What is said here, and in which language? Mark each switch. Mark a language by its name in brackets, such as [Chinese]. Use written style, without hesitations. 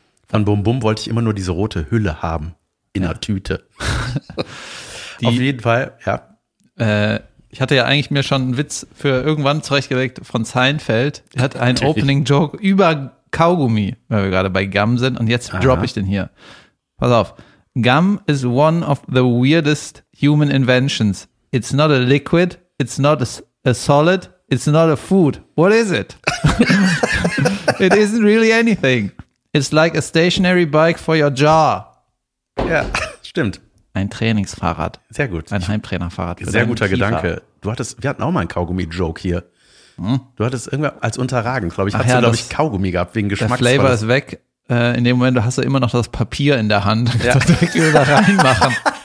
[German] Von Bum Bum wollte ich immer nur diese rote Hülle haben, in der Tüte. Auf jeden Fall, ja. Ich hatte ja eigentlich mir schon einen Witz für irgendwann zurechtgelegt von Seinfeld. Er hat einen Opening-Joke über Kaugummi, weil wir gerade bei Gum sind. Und jetzt droppe ich den hier. Pass auf. [English] Gum is one of the weirdest human inventions. It's not a liquid, it's not a solid, It's not a food. What is it? It isn't really anything. It's like a stationary bike for your jaw. [German] Ja, stimmt. Ein Trainingsfahrrad. Sehr gut. Ein Heimtrainerfahrrad. Sehr guter Gedanke. Du hattest, wir hatten auch mal einen Kaugummi-Joke hier. Du hattest irgendwann als unterragend, glaube ich, hast du Kaugummi gehabt wegen Geschmacks. Der Flavor ist weg. In dem Moment hast du immer noch das Papier in der Hand. Ja. Du kannst da reinmachen.